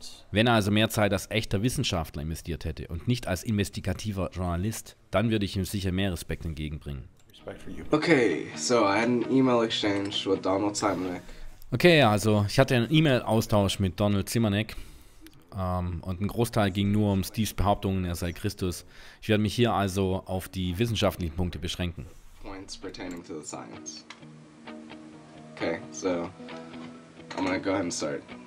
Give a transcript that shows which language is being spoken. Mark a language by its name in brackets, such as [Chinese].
[German] Wenn er also mehr Zeit als echter Wissenschaftler investiert hätte und nicht als investigativer Journalist, dann würde ich ihm sicher mehr Respekt entgegenbringen. [English] Okay, so I had an email exchange with Donald Szymanek. [German] Okay, also ich hatte einen E-Mail-Austausch mit Donald Szymanek und ein Großteil ging nur um Steves Behauptungen, er sei Christus. Ich werde mich hier also auf die wissenschaftlichen Punkte beschränken. [English] Points pertaining to the science. Okay, so I'm gonna go ahead and start.